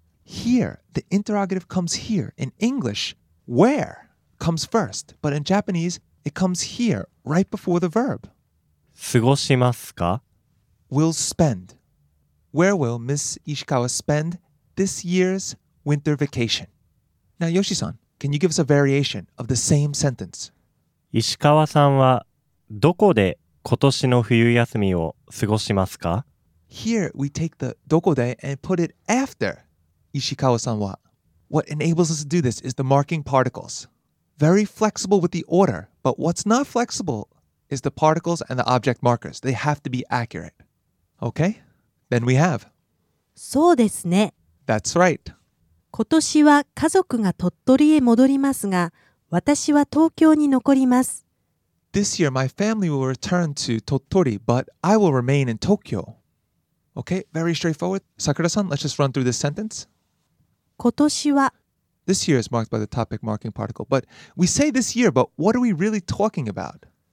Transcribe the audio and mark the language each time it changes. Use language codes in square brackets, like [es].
[en] Here, the interrogative comes here. In English, where comes first, but in Japanese, it comes here, right before the verb. [ja] 過ごしますか? [en] Will spend. Where will Miss Ishikawa spend this year's winter vacation? Now, Yoshi-san, can you give us a variation of the same sentence? [ja] 石川さんはどこで今年の冬休みを過ごしますか? [en] Here, we take the どこで and put it after 石川さんは. What enables us to do this is the marking particles. Very flexible with the order, but what's not flexible... is the particles and the object markers. They have to be accurate. Okay? Then we have. [ja] そうですね。 [en] That's right. [ja] 今年は家族が鳥取へ戻りますが、私は東京に残ります。 [en] This year, my family will return to Tottori, but I will remain in Tokyo. Okay? Very straightforward. Sakurada-san, let's just run through this sentence. [ja] 今年は [en] This year is marked by the topic marking particle. But we say this year, but what are we really talking about?